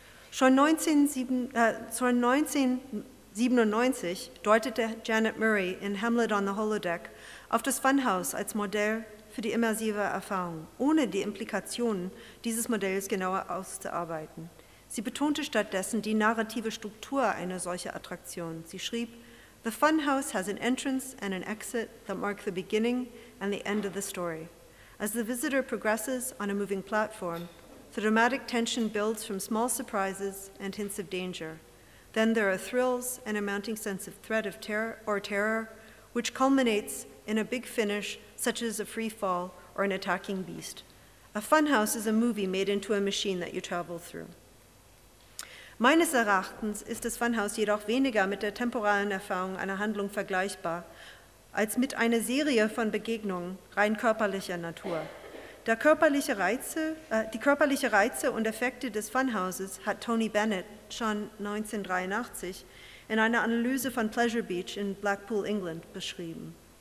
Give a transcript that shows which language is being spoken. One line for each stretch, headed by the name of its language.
German: Schon 1997 deutete Janet Murray in Hamlet on the Holodeck auf das Funhouse als Modell für die immersive Erfahrung, ohne die Implikationen dieses Modells genauer auszuarbeiten. Sie betonte stattdessen die narrative Struktur einer solchen Attraktion. Sie schrieb:
English: "The funhouse has an entrance and an exit that mark the beginning and the end of the story. As the visitor progresses on a moving platform, the dramatic tension builds from small surprises and hints of danger. Then there are thrills and a mounting sense of threat of terror or terror, which culminates in a big finish such as a free fall or an attacking beast. A funhouse is a movie made into a machine that you travel through."
German: Meines Erachtens ist das Funhouse jedoch weniger mit der temporalen Erfahrung einer Handlung vergleichbar als mit einer Serie von Begegnungen rein körperlicher Natur. Die körperliche Reize und Effekte des Funhouses hat Tony Bennett schon 1983 in einer Analyse von Pleasure Beach in Blackpool, England beschrieben.